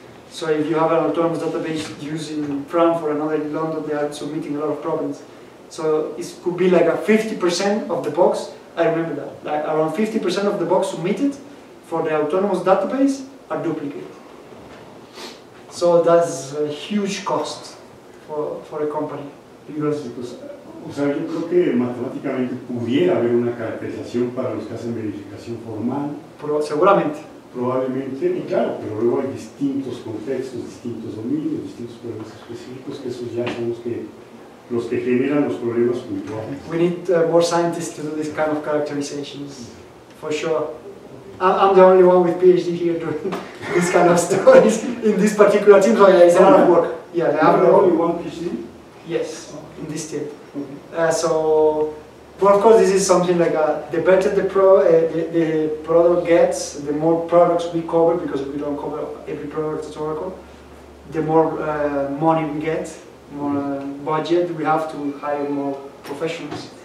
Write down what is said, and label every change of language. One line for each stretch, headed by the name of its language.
English: So if you have an autonomous database using France or another in London, they are submitting a lot of problems. So it could be like a 50% of the box, I remember that, like around 50% of the box submitted for the autonomous database are duplicate. So that's a huge cost for a company.
Spanish: O sea, yo creo que matemáticamente pudiera haber una caracterización para los que hacen verificación formal. Seguramente. Probablemente, y claro, pero luego hay distintos contextos, distintos dominios, distintos problemas específicos, que esos ya son los que generan los problemas puntuales.
English: We need more scientists to do this kind of characterizations, for sure. I'm the only one with PhD here doing this kind of stories in this particular team, so yeah, it's a lot of work. Yeah, I'm the only one PhD? Yes, okay. In this team. Okay. Of course, this is something like the better the product gets, the more products we cover, because we don't cover every product at Oracle, the more money we get, more budget we have to hire more professionals.